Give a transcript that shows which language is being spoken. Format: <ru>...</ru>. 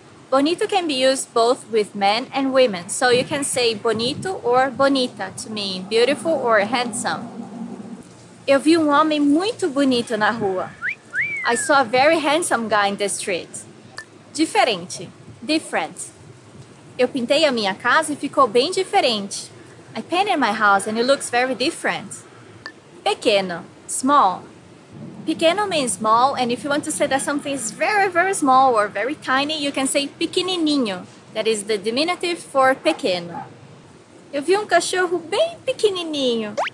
<en>Bonito can be used both with men and women, so you can say bonito or bonita to mean beautiful or handsome.</en> <pt>Eu vi homem muito bonito na rua.</pt> <en>I saw a very handsome guy in the street. Diferente, different.</en> <pt>Eu pintei a minha casa e ficou bem diferente.</pt> <en>I painted my house and it looks very different. Pequeno, small. Pequeno means small, and if you want to say that something is very, very small or very tiny, you can say pequenininho. That is the diminutive for pequeno.</en> <pt>Eu vi cachorro bem pequenininho.</pt>